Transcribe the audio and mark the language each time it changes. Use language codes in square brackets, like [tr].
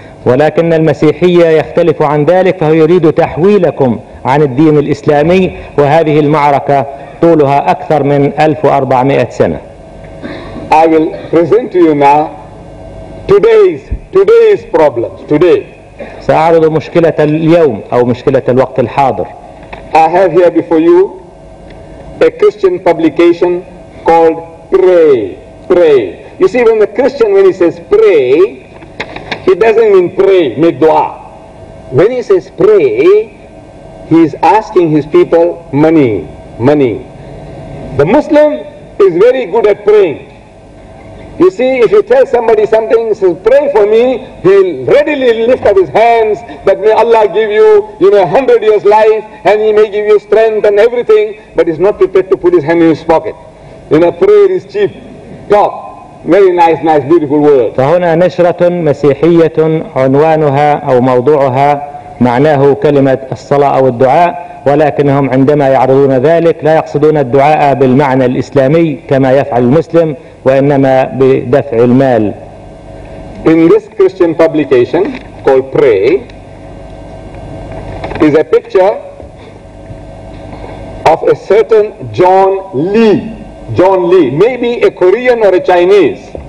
[ar] ولكن المسيحية يختلف عن ذلك فهو يريد تحويلكم عن الدين الإسلامي، وهذه المعركة طولها أكثر من 1400 سنة. [en] I will present to you now today's problems today. [ar] سأعرض مشكلة اليوم أو مشكلة الوقت الحاضر. [en] I have here before you a Christian publication called Pray. You see, when the Christian when he says pray, he doesn't mean pray, make dua. When he says pray, he is asking his people money. The Muslim is very good at praying. You see, if you tell somebody something, he says, pray for me, he'll readily lift up his hands that may Allah give you, you know, 100 years life, and he may give you strength and everything, but he's not prepared to put his hand in his pocket. You know, prayer is cheap. Talk. Very nice, beautiful word. [ar] فهنا نشرة مسيحية عنوانها أو موضوعها معناه كلمة الصلاة أو الدعاء، ولكنهم عندما يعرضون ذلك لا يقصدون الدعاء بالمعنى الإسلامي كما يفعل المسلم، وإنما بدفع المال. [en] In this Christian publication called Pray is a picture of a certain John Lee, maybe a Korean or a Chinese.